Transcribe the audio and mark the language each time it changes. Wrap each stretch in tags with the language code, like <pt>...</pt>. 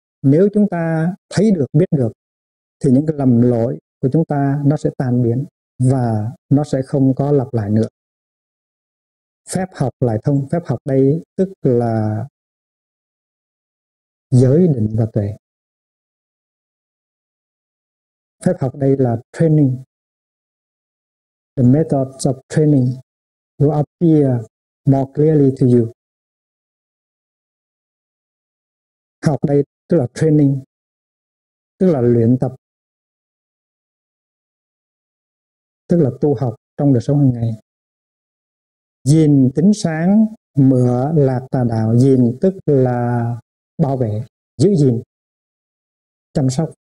<vi>Nếu chúng ta thấy được, biết được, thì những cái lầm lỗi của chúng ta nó sẽ tan biến và nó sẽ không có lặp lại nữa. Phép học lại thông. Phép học đây tức là giới định và tuệ. Phép học đây là training.</vi> <en>The methods of training will appear more clearly to you.</en> <vi>Học đây tức là training, tức là luyện tập, tức là tu học trong đời sống hàng ngày. Dìn tính sáng, mửa lạc tà đạo. Dìn tức là bảo vệ, giữ gìn, chăm sóc.</vi>